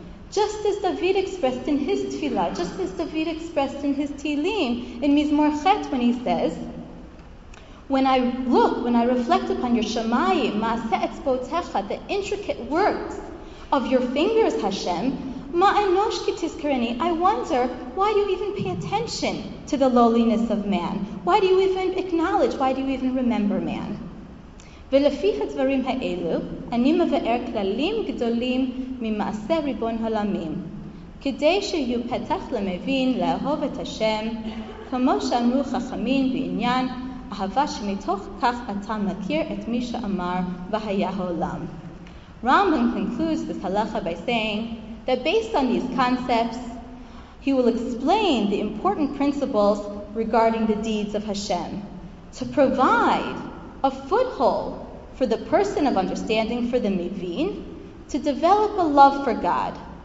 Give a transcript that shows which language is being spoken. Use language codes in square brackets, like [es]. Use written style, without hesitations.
[en] Just as David expressed in his tefillah, just as David expressed in his tehillim, in Mizmor Chet, when he says, when I look, when I reflect upon your shamayim, [he] ma'aseh etzbotecha, [en] the intricate works of your fingers, Hashem, [he] ma'enosh ki tizkereni, [en] I wonder, why do you even pay attention to the lowliness of man? Why do you even acknowledge, why do you even remember man? [he] ולפי הדברים האלו, אני מבאר כללים גדולים ממעשה ריבון הלמים, כדי שיהיו פתח למבין לאהוב את השם, כמו שאמרו חכמים בעניין אהבה שמתוך כך אתה מכיר את מי שאמר והיה העולם. [en] Rambam concludes this halacha by saying that based on these concepts, he will explain the important principles regarding the deeds of Hashem. To provide a foothold for the person of understanding, for the mivin, to develop a love for God.